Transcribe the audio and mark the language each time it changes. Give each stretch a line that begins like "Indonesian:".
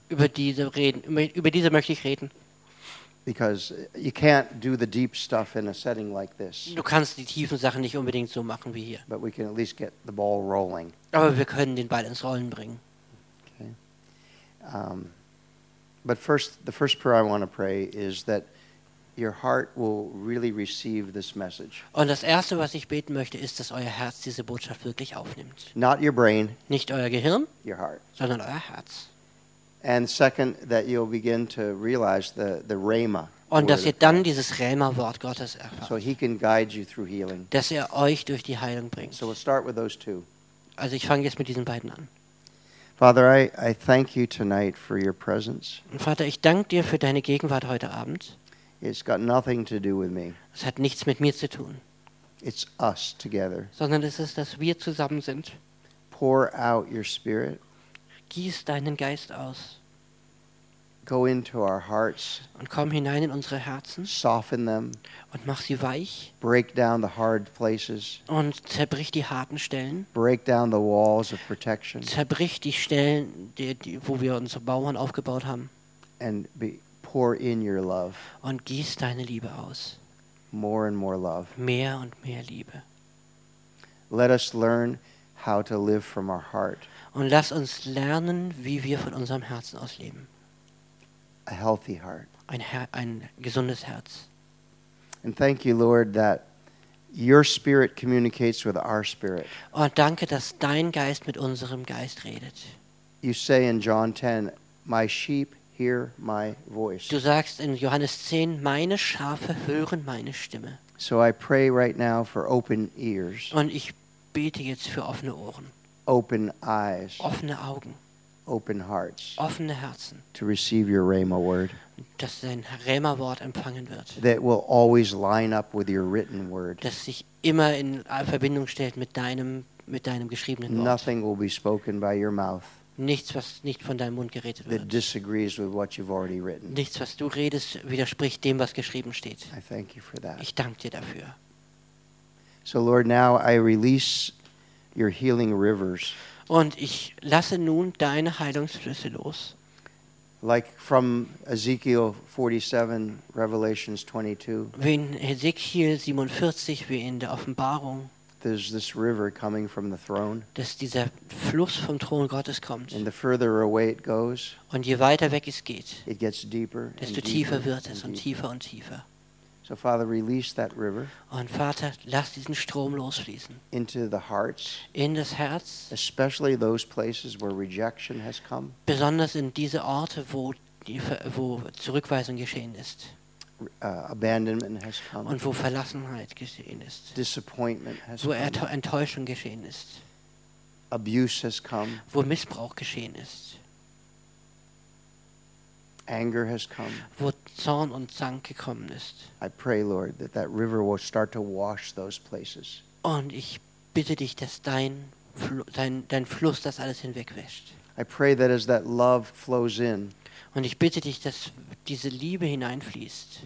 German: Über diese möchte ich reden.
English: Because you can't do the deep stuff in a setting like this.
German: Du kannst die tiefen Sachen nicht unbedingt so machen wie hier.
English: But we can at least get the ball rolling.
German: Aber wir können den Ball ins Rollen bringen.
English: But first, the first prayer I want to pray is that your heart will really receive this message.
German: Und das erste, was ich beten möchte, ist, dass euer Herz diese Botschaft wirklich aufnimmt.
English: Not your brain.
German: Nicht euer Gehirn.
English: Your heart.
German: Sondern euer Herz.
English: And second, that you'll begin to realize the Rhema.
German: Und dass ihr dann dieses Rhema-Wort Gottes erfahrt.
English: So he can guide you through healing.
German: Dass er euch durch die Heilung bringt.
English: So we'll start with those two.
German: Also ich fange jetzt mit diesen beiden an.
English: Father, I thank you tonight for your presence.
German: Vater, ich danke dir für deine Gegenwart heute Abend.
English: It's got nothing to do with me.
German: Es hat nichts mit mir zu tun.
English: It's us together.
German: Sondern es ist, dass wir zusammen sind.
English: Pour out your spirit.
German: Gieß deinen Geist aus.
English: Go into our hearts.
German: Und komm hinein in unsere Herzen.
English: Soften them.
German: Und mach sie weich.
English: Break down the hard places.
German: Und zerbrich die harten Stellen.
English: Break down the walls of protection.
German: Zerbrich die Stellen, die wo wir unsere Mauern aufgebaut haben.
English: And pour in your love.
German: Und gieß deine Liebe aus.
English: More and more love.
German: Mehr und mehr Liebe.
English: Let us learn how to live from our heart.
German: Und lass uns lernen, wie wir von unserem Herzen aus leben.
English: A healthy heart.
German: Ein gesundes Herz.
English: And thank you, Lord, that your spirit communicates with our spirit.
German: Und danke, dass dein Geist mit unserem Geist redet.
English: You say in John 10, my sheep hear my voice.
German: Du sagst in Johannes 10, meine Schafe hören meine Stimme.
English: So I pray right now for open ears.
German: Und ich bete jetzt für offene Ohren.
English: Open eyes.
German: Offene Augen.
English: Open hearts.
German: Offene Herzen.
English: To receive your Rhema word.
German: Dass dein Rhema-Wort empfangen wird.
English: That will always line up with your written word.
German: Dass sich immer in Verbindung stellt mit deinem geschriebenen Wort.
English: Nothing will be spoken by your mouth.
German: Nichts, was nicht von deinem Mund geredet wird.
English: That disagrees with what you've already written.
German: Nichts, was du redest, widerspricht dem, was geschrieben steht.
English: I thank you for that.
German: Ich danke dir dafür.
English: So Lord, now I release your healing rivers.
German: Und ich lasse nun deine Heilungsflüsse los.
English: Like from Ezekiel 47, Revelations 22.
German: Wie in Ezekiel 47, wie in der Offenbarung.
English: There's this river coming from the throne.
German: Dass dieser Fluss vom Thron Gottes kommt.
English: And the further away it goes.
German: Und je weiter weg es geht.
English: It gets deeper.
German: Desto tiefer wird es und tiefer und tiefer.
English: So Father, release that river.
German: Und Vater, lass diesen Strom losfließen.
English: Into the hearts.
German: In das Herz.
English: Especially those places where rejection has come.
German: Besonders in diese Orte, wo Zurückweisung geschehen ist.
English: Abandonment has come.
German: Und wo Verlassenheit geschehen ist.
English: Disappointment has come.
German: Wo Enttäuschung geschehen ist.
English: Abuse has come.
German: Wo Missbrauch geschehen ist.
English: Anger has come.
German: Wo Zorn und Zank gekommen ist.
English: I pray, Lord, that that river will start to wash those places.
German: Und ich bitte dich, dass dein Fluss das alles hinwegwäscht.
English: I pray that as that love flows in.
German: Und ich bitte dich, dass diese Liebe hineinfließt.